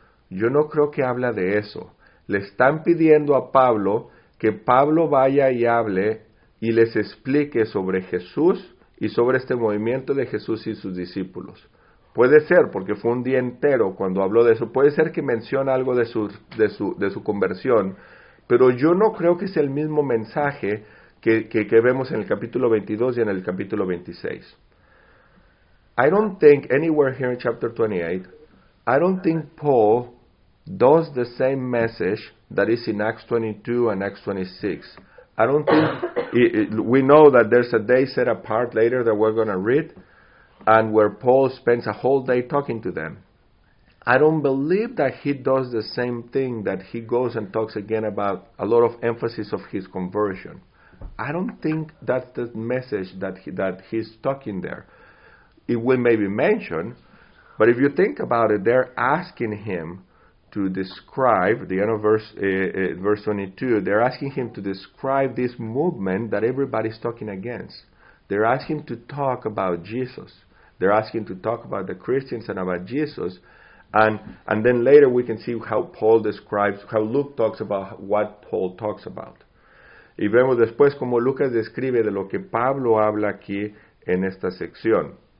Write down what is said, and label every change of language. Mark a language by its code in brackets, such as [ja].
[es] Yo no creo que habla de eso. Le están pidiendo a Pablo que Pablo vaya y hable y les explique sobre Jesús y sobre este movimiento de Jesús y sus discípulos. Puede ser, porque fue un día entero cuando habló de eso. Puede ser que menciona algo de su conversión, pero yo no creo que sea el mismo mensaje que vemos en el capítulo 22 y en el capítulo 26. [en] I don't think anywhere here in chapter 28, I don't think Paul does the same message that is in Acts 22 and Acts 26. I don't think, we know that there's a day set apart later that we're going to read, and where Paul spends a whole day talking to them. I don't believe that he does the same thing, that he goes and talks again about a lot of emphasis of his conversion. I don't think that's the message that he's talking there. It will maybe mention, but if you think about it, they're asking him to describe, the end of verse 22, they're asking him to describe this movement that everybody's talking against. They're asking him to talk about Jesus. They're asking him to talk about the Christians and about Jesus. And then later we can see how Paul describes, how Luke talks about what Paul talks about. [es] Y vemos después cómo Lucas describe de lo que Pablo habla aquí en esta sección.